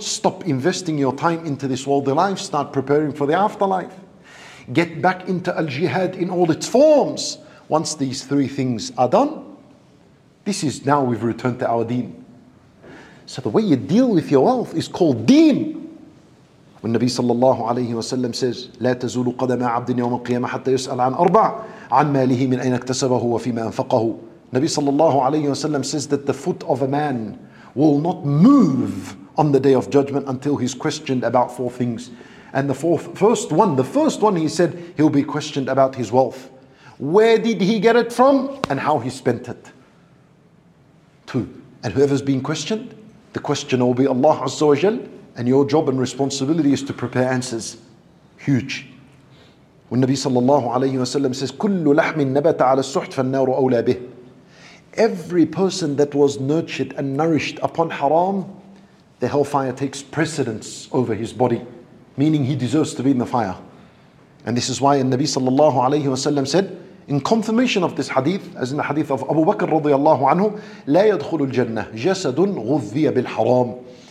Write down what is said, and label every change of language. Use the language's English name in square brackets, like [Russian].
[English] Stop investing your time into this worldly life. Start preparing for the afterlife. Get back into al-jihad in all its forms. Once these three things are done, this is now we've returned to our deen. So the way you deal with your wealth is called deen. When Nabi sallallahu alayhi wa sallam says, [Arabic] لا تزول قدم عبد يوم القيامة حتى يسأل عن أربع عن ماله من أين اكتسبه وفيما أنفقه. [English] Nabi sallallahu alayhi wa sallam says that the foot of a man will not move on the day of judgment until he's questioned about four things. And the first one he said, he'll be questioned about his wealth. Where did he get it from and how he spent it? Two. And whoever's being questioned, the questioner will be Allah Azza wa Jal, and your job and responsibility is to prepare answers. Huge. When Nabi sallallahu alayhi wa sallam says, [Arabic] كل لحم نبت على السحت فالنار أولى به. [English] Every person that was nurtured and nourished upon haram, the hellfire takes precedence over his body, meaning he deserves to be in the fire. And this is why Nabi sallallahu alayhi wa sallam said, in confirmation of this hadith, as in the hadith of Abu Bakr radiallahu anhu, [Arabic] لا يدخل الجنة جسد غذي بالحرام.